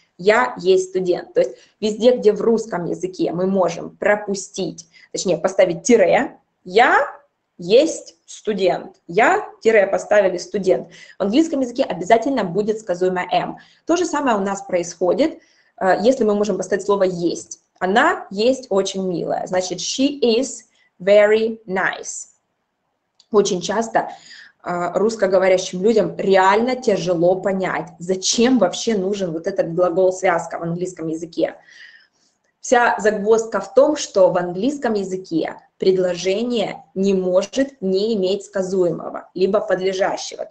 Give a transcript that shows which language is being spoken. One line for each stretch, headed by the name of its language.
Russian: Я есть студент. То есть везде, где в русском языке мы можем пропустить, точнее поставить тире, я есть студент. Я тире поставили студент. В английском языке обязательно будет сказуемое am. То же самое у нас происходит, если мы можем поставить слово есть. Она есть очень милая. Значит,
English: she is very nice.
Russian: Очень часто русскоговорящим людям реально тяжело понять, зачем вообще нужен вот этот глагол-связка в английском языке. Вся загвоздка в том, что в английском языке предложение не может не иметь сказуемого, либо подлежащего.